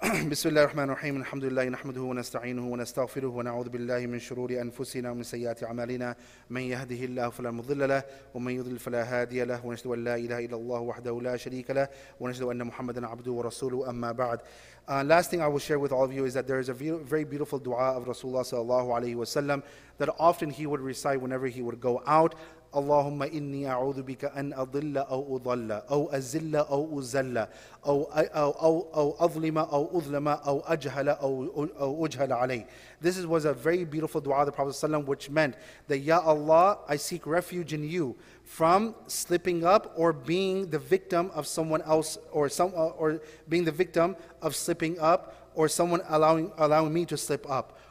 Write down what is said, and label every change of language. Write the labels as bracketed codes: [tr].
[ar] بسم الله الرحمن الرحيم الحمد لله نحمده ونستعينه ونستغفره ونعوذ بالله من شرور أنفسنا ومن سيئات أعمالنا من يهده الله فلا مضل له ومن يضلل فلا هادي له ونشهد أن لا إله إلا الله وحده لا شريك له ونشهد أن محمدا عبده ورسوله أما بعد. [en] Last thing I will share with all of you is that there is a very beautiful dua of Rasulullah sallallahu alayhi wa sallam that often he would recite whenever he would go out. [ar] اللهم إني أعوذ بك أن أضل أو أضل أو أزل أو أزل أو أو أو أو أظلم أو أظلم أو أجهل أو أجهل علي. [en] This was a very beautiful dua of the Prophet ﷺ, which meant that Ya Allah, I seek refuge in you from slipping up or being the victim of someone else or some or being the victim of slipping up or someone allowing me to slip up.